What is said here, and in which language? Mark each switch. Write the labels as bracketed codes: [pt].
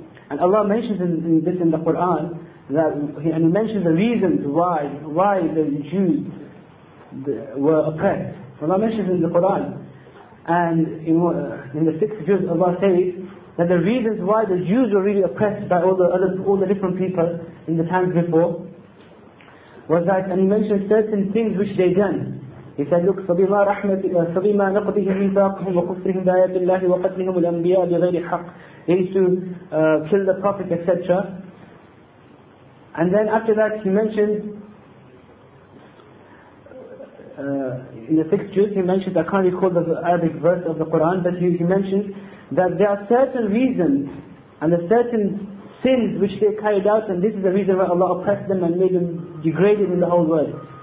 [en] And Allah mentions this in the Quran, and He mentions the reasons why the Jews were oppressed. So Allah mentions in the Quran, and in the sixth verse, Allah says that the reasons why the Jews were really oppressed by all the different people in the times before was that, and He mentions certain things which they done. He said, look, [ar] فَبِمَا رَحْمَةِ فَبِمَا نَقْضِهِمْ مِيثَاقَهُمْ وَكُفْرِهِمْ بِآيَاتِ اللَّهِ وَقَتْلِهِمُ الْأَنْبِيَاءَ بِغَيْرِ حَقٍّ. [en] They used to kill the Prophet, etc. And then after that, he mentioned in the sixth juz, he mentioned, I can't recall the Arabic verse of the Quran, but he mentioned that there are certain reasons and a certain sins which they carried out, and this is the reason why Allah oppressed them and made them degraded in the whole world.